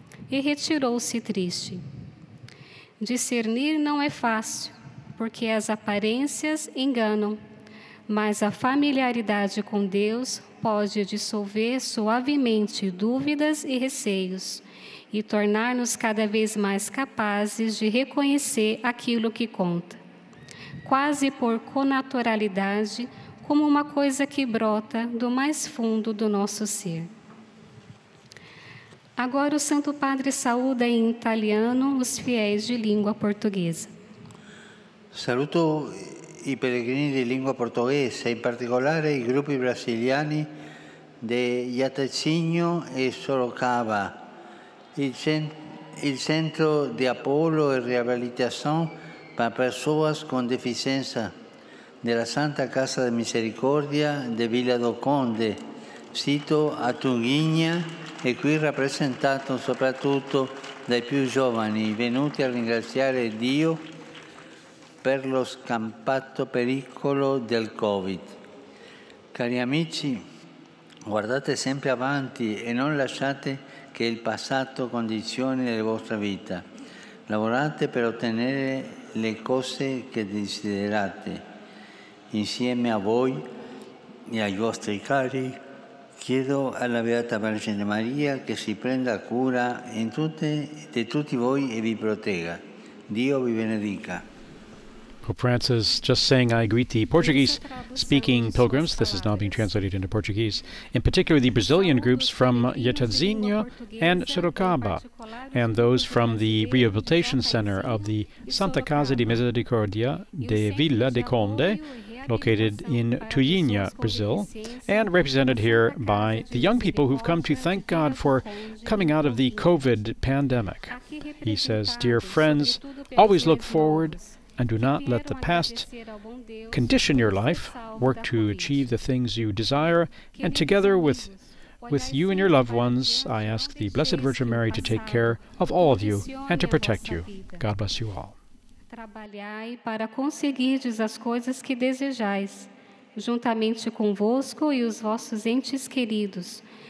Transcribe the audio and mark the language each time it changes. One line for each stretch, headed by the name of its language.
Portuguese: E retirou-se triste. Discernir não é fácil, porque as aparências enganam, mas a familiaridade com Deus pode dissolver suavemente dúvidas e receios e tornar-nos cada vez mais capazes de reconhecer aquilo que conta, quase por conaturalidade, como uma coisa que brota do mais fundo do nosso ser. Agora o Santo Padre saúda em italiano os fiéis de língua portuguesa.
Italian: Saluto i pellegrini di lingua portoghese, in particolare i gruppi brasiliani di Iataccino e Sorocaba, il centro di Apollo e riabilitazione per persone con deficienza della Santa Casa di Misericordia di Villa do Conde, sito a Tunghigna e qui rappresentato soprattutto dai più giovani venuti a ringraziare Dio per lo scampato pericolo del Covid. Cari amici, guardate sempre avanti e non lasciate che il passato condizioni la vostra vita. Lavorate per ottenere le cose che desiderate. Insieme a voi e ai vostri cari, chiedo alla Beata Vergine Maria che si prenda cura in tutte, di tutti voi e vi protegga. Dio vi benedica.
English: Pope Francis just saying, I greet the Portuguese-speaking pilgrims. This is now being translated into Portuguese. In particular, the Brazilian groups from Jatadzinho and Sorocaba, and those from the Rehabilitation Center of the Santa Casa de Misericordia de Vila de Conde, located in Tuyinha, Brazil, and represented here by the young people who've come to thank God for coming out of the COVID pandemic. He says, dear friends, always look forward and do not let the past condition your life. Work to achieve the things you desire, and together with you and your loved ones, I ask the Blessed Virgin Mary to take care of all of you and to protect you. God bless you all.
Portuguese: Trabalhai para conseguirdes as coisas que desejais, juntamente convosco e os vossos entes queridos.